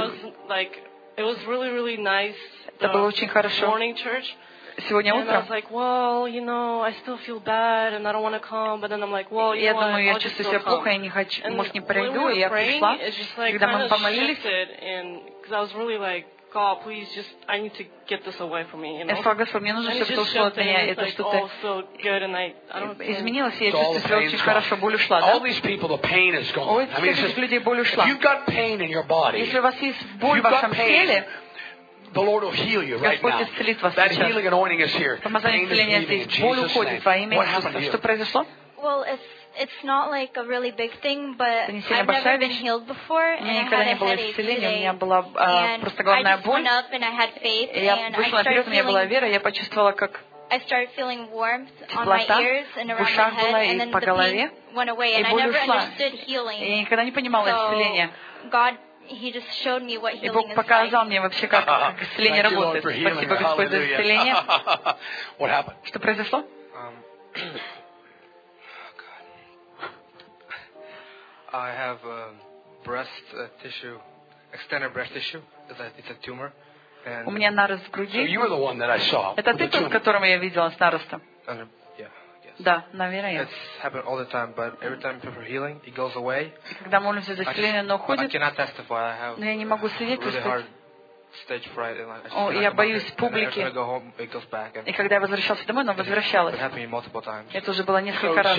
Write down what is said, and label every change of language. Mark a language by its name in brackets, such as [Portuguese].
[English] I was like, it was really, really nice. [Russian] Это было очень хорошо. [English] Morning church. [Russian] Сегодня [English] and [Russian] утром. [English] I was like, well, you know, I still feel bad and I don't want to come, but then I'm like, well, you know, [Russian] я чувствую себя плохо, я не хочу, может, не пройду, и я пришла. Когда мы помолились, [English] and because I was really like, God, please, just I need to get this away from me. [Russian] Я сказала, Господи, мне нужно, чтобы ушло от меня, это что-то. Изменилось, я чувствую себя очень хорошо, боль ушла, да? [English] All these people, the pain is gone. [Russian] У всех этих людей боль ушла. [English] You've got pain in your body. [Russian] Если у вас есть боль в вашем теле. [English] The Lord will heal you right now. That [Russian] сейчас. [English] Healing anointing is here. [Russian] Помазание исцеления здесь. Боль уходит во имя Иисуса. Что произошло? [English] Well, it's not like a really big thing, but I've never been healed before. [Russian] У меня никогда не было исцеления. У меня была просто головная боль. [English] And I just went up and I had faith. [Russian] Я вышла вперед, у меня была вера. Я почувствовала, как [English] I started feeling warmth on my ears and around my head, and then the pain went away. And I never understood healing. [Russian] Я никогда не понимала исцеления. [English] God. He just showed me what healing is like. [Russian] И Бог показал мне вообще, как исцеление работает. Спасибо, Господь, за исцеление. [English] What happened? [Russian] Что произошло? [English] I have a breast tissue, extended breast tissue. It's a tumor. [Russian] У меня нарост в груди. [English] So you were the one that I saw. [Russian] Это ты тот, которого я видела с наростом? [English] Yeah, yes. [Russian] Да, наверное. [English] It's happened all the time, but every time for healing, it goes away. [Russian] Когда молимся за исцеление, оно уходит. [English] I cannot testify. I have. [Russian] Но я не могу свидетельствовать. [English] Stage fright, and I just, [Russian] я боюсь публики. [English] And go home, it goes back, and [Russian] и когда я возвращался домой, оно возвращалось. Это уже было несколько раз.